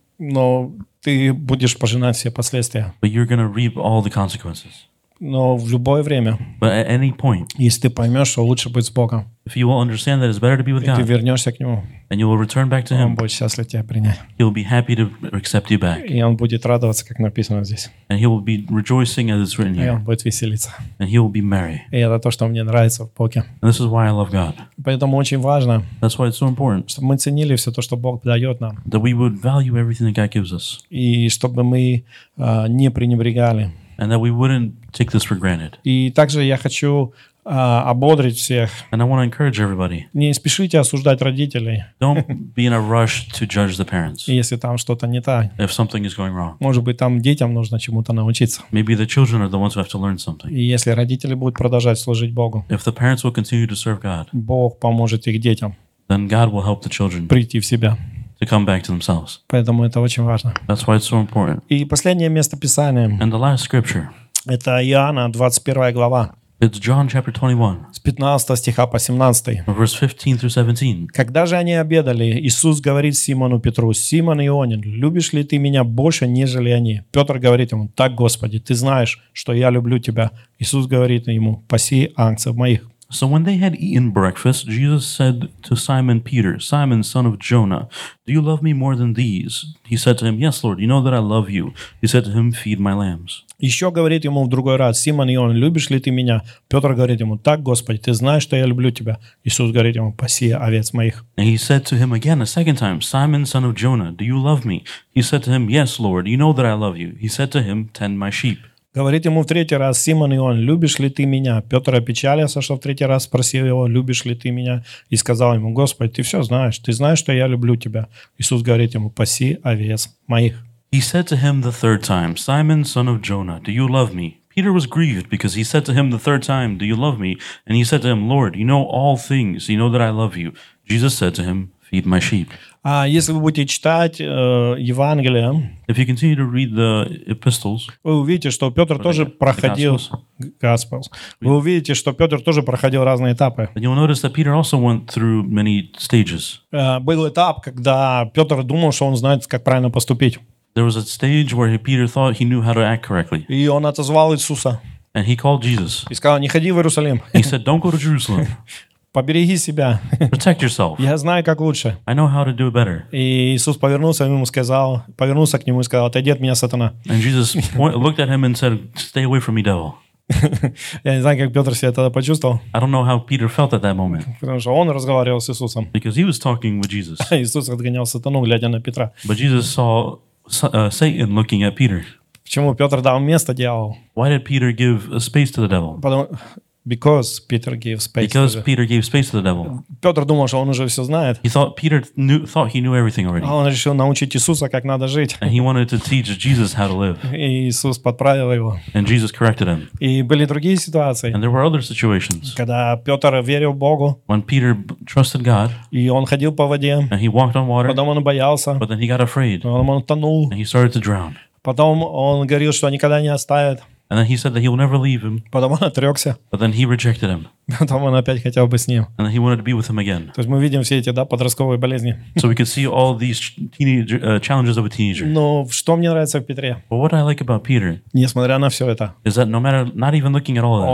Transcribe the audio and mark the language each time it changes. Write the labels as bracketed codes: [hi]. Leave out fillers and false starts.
[ru] Но ты будешь пожинать все последствия. [en] But you're going to reap all the consequences. [ru] Но в любое время. [en] But at any point. [ru] Если ты поймешь, что лучше быть с Богом. [en] If you will understand that it's better to be with [ru] и [en] God. [ru] И ты вернешься к Нему. [en] And you will return back to [ru] он [en] Him. [ru] Он будет счастлив тебя принять. [en] He'll be happy to accept you back. [ru] И он будет радоваться, как написано здесь. [en] And he will be rejoicing as it's written here. [ru] И он будет веселиться. [en] And he will be merry. [ru] И это то, что мне нравится в Боге. [en] And this is why I love God. [ru] Поэтому очень важно. [en] That's why it's so important. [ru] Чтобы мы ценили все то, что Бог дает нам. [en] That we would value everything that God gives us. [ru] И чтобы мы не пренебрегали. [en] And that we wouldn't take this for granted. [ru] И также я хочу ободрить всех. [en] And I want to encourage everybody. [ru] Не спешите осуждать родителей. [en] Don't be in a rush to judge the parents. [ru] Если там что-то не так. [en] If something is going wrong. [ru] Может быть, там детям нужно чему-то научиться. [en] Maybe the children are the ones who have to learn something. [ru] И если родители будут продолжать служить Богу. [en] If the parents will continue to serve God. [ru] Бог поможет их детям. [en] Then God will help the children. [ru] Прийти в себя. [en] To come back to themselves. [ru] Поэтому это очень важно. [en] That's why it's so important. [ru] И последнее место Писания. [en] And the last scripture. [ru] Это Иоанна, 21 глава. [en] It's John chapter 21. [ru] С 15 стиха по 17. [en] Verse 15 through 17. [ru] Когда же они обедали, Иисус говорит Симону Петру: «Симон Ионин, любишь ли ты меня больше, нежели они?» Петр говорит ему: «Так, Господи, ты знаешь, что я люблю тебя». Иисус говорит ему: «Паси овцев моих». [en] So when they had eaten breakfast, Jesus said to Simon Peter, Simon, son of Jonah, do you love me more than these? He said to him, yes, Lord, you know that I love you. He said to him, feed my lambs. [ru] Еще говорит ему в другой раз, Симон Ион, любишь ли ты меня? Петр говорит ему, так, Господи, ты знаешь, что я люблю тебя. Иисус говорит ему, паси овец моих. [en] And he said to him again a second time, Simon, son of Jonah, do you love me? He said to him, yes, Lord, you know that I love you. He said to him, tend my sheep. [ru] Говорит ему в третий раз, Симон Ион, любишь ли ты меня? Петр опечалился, что в третий раз спросил его, любишь ли ты меня? И сказал ему, Господи, ты все знаешь, ты знаешь, что я люблю тебя. Иисус говорит ему, паси овец моих. [en] He said to him the third time, Simon, son of Jonah, do you love me? Peter was grieved because he said to him the third time, do you love me? And he said to him, Lord, you know all things, you know that I love you. Jesus said to him, feed my sheep. [ru] А если вы будете читать Евангелие, [en] if you continue to read the epistles, [ru] вы увидите, что Петр тоже проходил Gospels. Вы увидите, что Петр тоже проходил разные этапы. [en] And you'll notice that Peter also went through many stages. [ru] Был этап, когда Петр думал, что он знает, как правильно поступить. [en] There was a stage where Peter thought he knew how to act correctly. [ru] И он отозвал Иисуса. [en] And he called Jesus. [ru] И сказал, не ходи в Иерусалим. [en] He said, don't go to Jerusalem. [ru] Побереги себя. [en] Protect yourself. [ru] Я знаю, как лучше. [en] I know how to do it better. [ru] И Иисус повернулся к нему и сказал, отойди от меня, сатана. [en] And Jesus looked at him and said, stay away from me, devil. [ru] Я не знаю, как Петр себя тогда почувствовал. [en] I don't know how Peter felt at that moment. [ru] Потому что он разговаривал с Иисусом. [en] Because he was talking with Jesus. [ru] Иисус отгонял сатану, глядя на Петра. [en] But Jesus saw Satan looking at Peter. [ru] Почему Петр дал место дьяволу? [en] Why did Peter give a space to the devil? Because Peter gave space. Because Peter gave space to the devil. [ru] Петр думал, что он уже все знает. [en] He thought Peter thought he knew everything already. [ru] Он решил научить Иисуса, как надо жить. [en] And he wanted to teach Jesus how to live. [ru] И Иисус подправил его. [en] And Jesus corrected him. [ru] И были другие ситуации. [en] And there were other situations. [ru] Когда Петр верил Богу. [en] When Peter trusted God. [ru] И он ходил по воде. [en] And he walked on water. [ru] Потом он боялся. [en] But then he got afraid. [ru] Он утонул. [en] And he started to drown. [ru] Потом он говорил, что никогда не оставит. [en] And then he said that he will never leave him. [ru] Потом он отрекся. [en] But then he rejected him. [ru] Потом он опять хотел бы с ним. [en] And then he wanted to be with him again. [ru] То есть мы видим все эти, да, подростковые болезни. [en] So we can see all these teenager, challenges of a teenager. [ru] Но что мне нравится в Петре? [en] But what I like about Peter. [ru] Несмотря на все это. [en] Is that no matter, not even looking at all this.